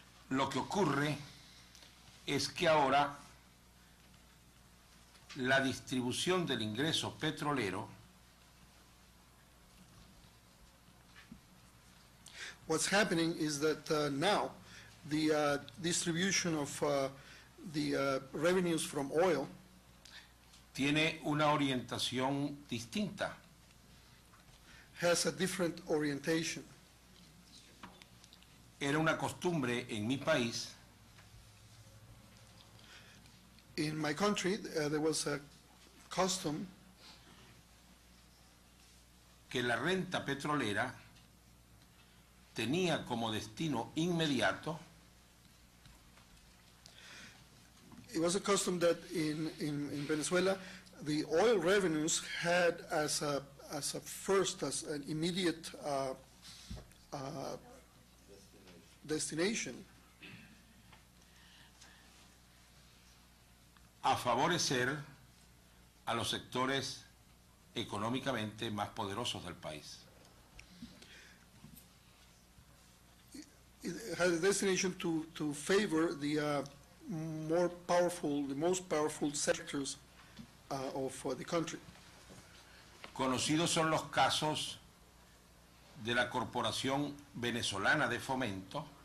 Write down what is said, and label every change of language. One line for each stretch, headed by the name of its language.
Spanish: Lo que ocurre es que ahora la distribución del ingreso petrolero
English: What's happening is that now the distribution of the revenues from oil
Spanish: tiene una orientación distinta.
English: Has a different orientation.
Spanish: Era una costumbre en mi país.
English: In my country, there was a custom
Spanish: que la renta petrolera tenía como destino inmediato.
English: It was a custom that in Venezuela, the oil revenues had as a first, as an immediate destination.
Spanish: A favorecer a los sectores económicamente más poderosos del país.
English: It had a destination to favor the more powerful, the most powerful sectors of the country.
Spanish: Conocidos son los casos de la Corporación Venezolana de Fomento.